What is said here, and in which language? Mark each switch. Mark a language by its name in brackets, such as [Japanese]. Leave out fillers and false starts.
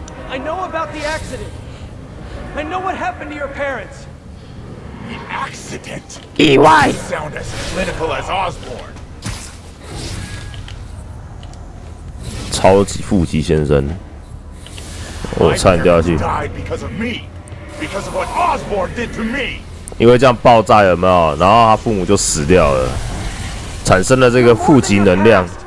[English] I know about the accident. I know what happened to your parents. The accident. [Chinese] 意外. [English] You sound as clinical as Osborne. [Chinese] 超级腹肌先生，我差点掉下去。 [English] My parents died because of me, because of what Osborne did to me. [Chinese] 因为这样爆炸有没有？然后他父母就死掉了，产生了这个腹肌能量。